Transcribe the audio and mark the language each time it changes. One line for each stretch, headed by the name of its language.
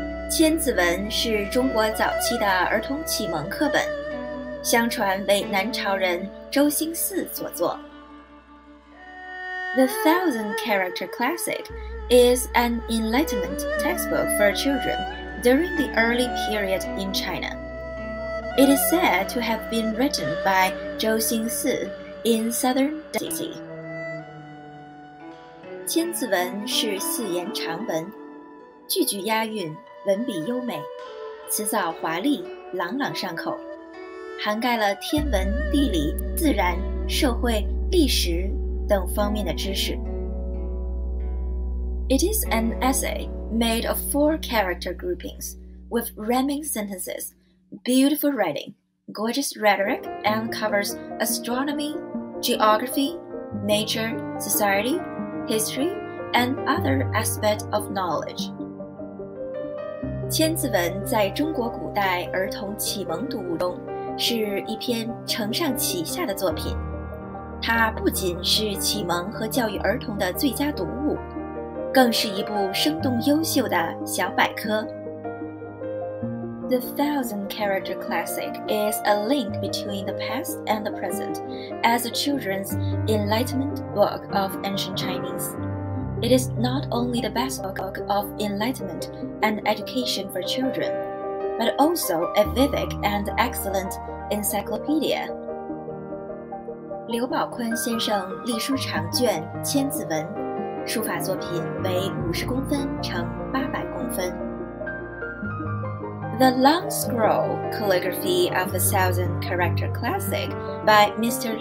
Chinese: 千字文是中国早期的儿童启蒙课本，相传为南朝人周兴嗣所作。
English: The Thousand Character Classic is an Enlightenment textbook for children during the early period in China. It is said to have been written by周兴嗣in Southern Dynasty.
Chinese: 千字文是四言长文，句句押韵，文笔优美，辞藻华丽，朗朗上口，涵盖了天文、地理、自然、社会、历史等方面的知识。
English: It is an essay made of four character groupings with rhyming sentences, beautiful writing, gorgeous rhetoric, and covers astronomy, geography, nature, society, history, and other aspects of knowledge.
Chinese: 千字文在中国古代儿童启蒙读物中是一篇承上启下的作品，它不仅是启蒙和教育儿童的最佳读物，更是一部生动优秀的小百科。
English: The Thousand Character Classic is a link between the past and the present as a children's enlightenment book of ancient Chinese. It is not only the best book of enlightenment and education for children, but also a vivid and excellent encyclopedia.
Chinese: 刘宝坤先生隶书长卷《千字文》，书法作品为50公分乘800公分。
English: The long scroll calligraphy of the Thousand Character Classic by Mr.